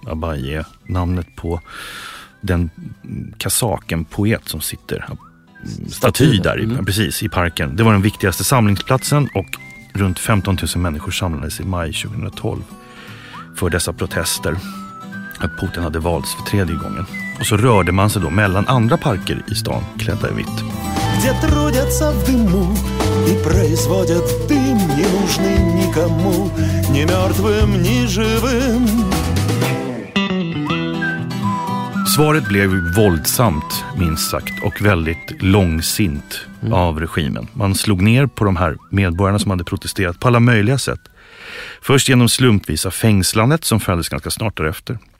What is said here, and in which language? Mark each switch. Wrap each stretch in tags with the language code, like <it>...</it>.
<sv>Abai är namnet på den kazaken poet som sitter staty där precis i parken. Det var den viktigaste samlingsplatsen, och runt 15 000 människor samlades i maj 2012 för dessa protester att Putin hade valts för tredje gången. Och så rörde man sig då mellan andra parker i stan klädda i vitt.</sv> <ru>Где трудятся в дыму и производят дым, не нужны никому, ни мертвым, ни живым.</ru> <sv>Svaret blev våldsamt, minst sagt, och väldigt långsint av regimen. Man slog ner på de här medborgarna som hade protesterat på alla möjliga sätt. Först genom slumpvisa fängslandet som följdes ganska snart därefter.</sv>